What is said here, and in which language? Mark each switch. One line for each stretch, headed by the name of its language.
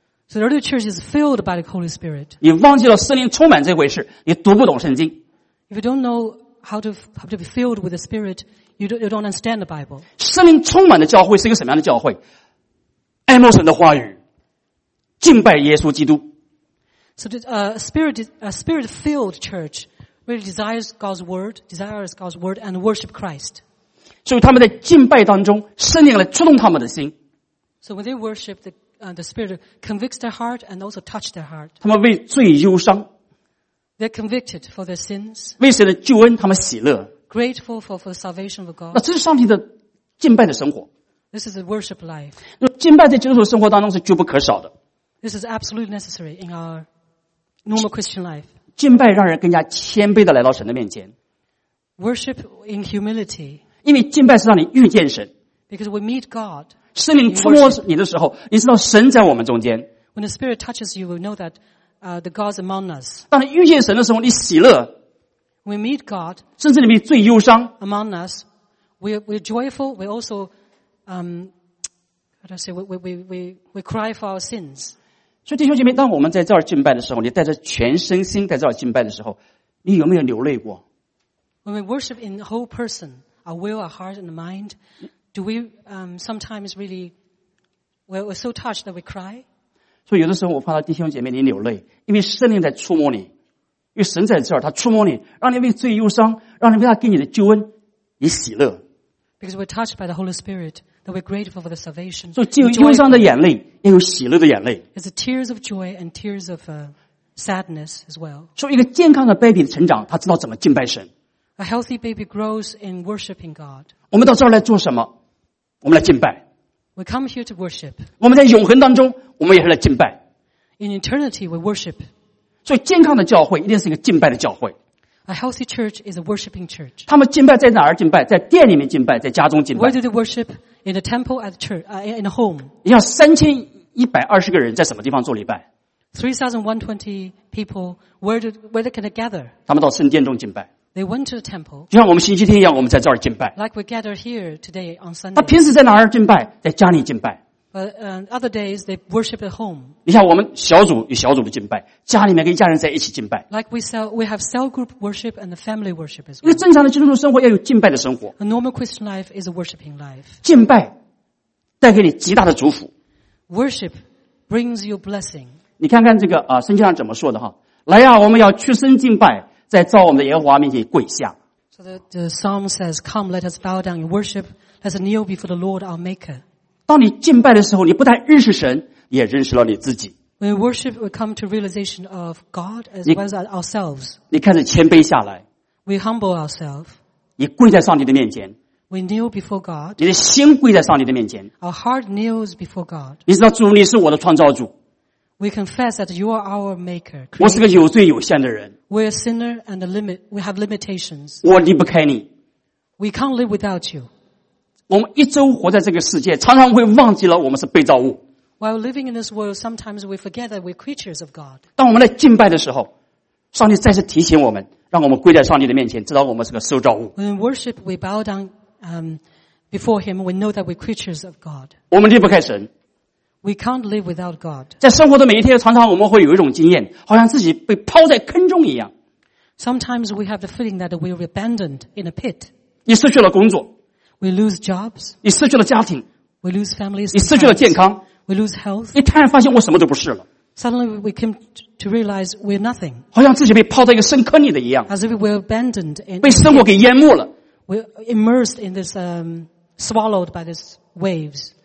English: So the early church is filled by the Holy Spirit.
Chinese: 你忘记了圣灵充满这回事，你读不懂圣经。
English: If you don't know how to be filled with the Spirit, you don't understand the Bible.
Chinese: 圣灵充满的教会是一个什么样的教会？爱慕神的话语。敬拜耶稣基督。
English: So a spirit-filled church really desires God's word and worship Christ.
Chinese: 所以他们在敬拜当中，圣灵来触动他们的心。
English: So when they worship, the Spirit convicts their heart and also touch their heart.
Chinese: 他们为罪忧伤。
English: They're convicted for their sins.
Chinese: 为神的救恩，他们喜乐。
English: Grateful for the salvation of God.
Chinese: 那这是上帝的敬拜的生活。
English: This is a worship life.
Chinese: 敬拜在基督徒生活当中是必不可少的。
English: This is absolutely necessary in our normal Christian life.
Chinese: 敬拜让人更加谦卑地来到神的面前。
English: Worship in humility.
Chinese: 因为敬拜是让你遇见神。
English: Because we meet God.
Chinese: 圣灵触摸你的时候，你知道神在我们中间。
English: When the Spirit touches you, we know that the God's among us.
Chinese: 当你遇见神的时候，你喜乐。
English: We meet God.
Chinese: 甚至你比最忧伤。
English: Among us, we're joyful. We also, how do I say? We cry for our sins.
Chinese: 所以弟兄姐妹，当我们在这儿敬拜的时候，你带着全身心在这儿敬拜的时候，你有没有流泪过？
English: When we worship in the whole person, our will, our heart and mind, do we sometimes really, well, we're so touched that we cry?
Chinese: 所以有的时候我碰到弟兄姐妹你流泪，因为圣灵在触摸你，因为神在这儿，他触摸你，让你为罪忧伤，让你为他给你的救恩，你喜乐。
English: Because we're touched by the Holy Spirit. That we're grateful for the salvation.
Chinese: 所以既有忧伤的眼泪，也有喜乐的眼泪。
English: It's the tears of joy and tears of sadness as well.
Chinese: 所以一个健康的 baby 的成长，他知道怎么敬拜神。
English: A healthy baby grows in worshiping God.
Chinese: 我们到这儿来做什么？我们来敬拜。
English: We come here to worship.
Chinese: 我们在永恒当中，我们也是来敬拜。
English: In eternity, we worship.
Chinese: 所以健康的教会一定是一个敬拜的教会。
English: A healthy church is a worshiping church.
Chinese: 他们敬拜在哪儿敬拜？在殿里面敬拜，在家中敬拜。
English: Where do they worship? In a temple at church, in a home.
Chinese: 你要3120个人在什么地方做礼拜
English: ?3120 people, where can they gather?
Chinese: 他们到圣殿中敬拜。
English: They went to the temple.
Chinese: 就像我们星期天一样我们在这儿敬拜。
English: Like we gather here today on Sunday.
Chinese: 他平时在哪儿敬拜在家里敬拜。
English: But other days they worship at home.
Chinese: 你像我们小组有小组的敬拜，家里面跟家人在一起敬拜。
English: Like we have cell group worship and the family worship as well.
Chinese: 因为正常的基督徒生活要有敬拜的生活。
English: A normal Christian life is a worshiping life.
Chinese: 敬拜带给你极大的祝福。
English: Worship brings you blessing.
Chinese: 你看看这个圣经上怎么说的哈？来呀，我们要屈身敬拜，在造我们的耶和华面前跪下。
English: So the psalm says, "Come, let us bow down in worship. Let us kneel before the Lord our Maker."
Chinese: 当你敬拜的时候，你不但认识神，也认识了你自己。
English: When worship, we come to realization of God as well as ourselves.
Chinese: 你开始谦卑下来。
English: We humble ourselves.
Chinese: 你跪在上帝的面前。
English: We kneel before God.
Chinese: 你的心跪在上帝的面前。
English: Our heart kneels before God.
Chinese: 你知道主，你是我的创造主。
English: We confess that you are our maker.
Chinese: 我是个有罪有限的人。
English: We're a sinner and we have limitations.
Chinese: 我离不开你。
English: We can't live without you.
Chinese: 我们一周活在这个世界，常常会忘记了我们是被造物。
English: While living in this world, sometimes we forget that we're creatures of God.
Chinese: 当我们在敬拜的时候，上帝再次提醒我们，让我们跪在上帝的面前，知道我们是个受造物。
English: When we worship, we bow down before Him. We know that we're creatures of God.
Chinese: 我们离不开神。
English: We can't live without God.
Chinese: 在生活的每一天，常常我们会有一种经验，好像自己被抛在坑中一样。
English: Sometimes we have the feeling that we're abandoned in a pit.
Chinese: 你失去了工作。
English: We lose jobs.
Chinese: 你失去了家庭。
English: We lose families.
Chinese: 你失去了健康。
English: We lose health.
Chinese: 你突然发现我什么都不是了。
English: Suddenly we came to realize we're nothing.
Chinese: 好像自己被抛在一个深坑里的一样。
English: As if we're abandoned in.
Chinese: 被生活给淹没了。
English: We're immersed in this, swallowed by these waves.